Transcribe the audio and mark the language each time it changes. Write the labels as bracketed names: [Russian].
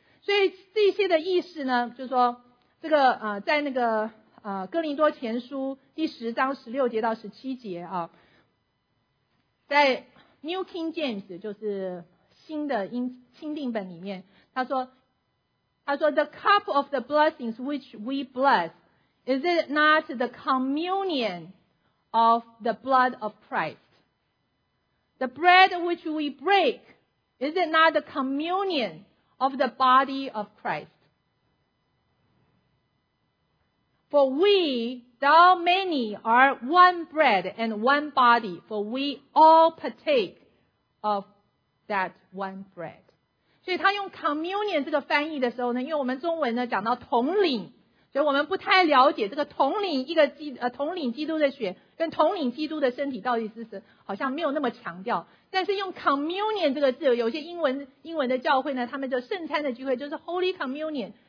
[Chinese] 所以这些的意思呢，就是说这个在那个哥林多前书第十章十六节到十七节啊，在 New King James 就是新的钦定本里面，他说 [English] The cup of the blessings which we bless, is it not the communion of the blood of Christ? The bread which we break, is it not the communion of the body of Christ? For we, thou many, are one bread and one body, for we all partake of that one bread. [Chinese] 所以他用 communion 这个翻译的时候呢，因为我们中文呢讲到统领，所以我们不太了解这个统领一个统领基督的血跟统领基督的身体到底是什么，好像没有那么强调。但是用 communion 这个字，有些英文的教会呢，他们就圣餐的聚会就是 holy communion。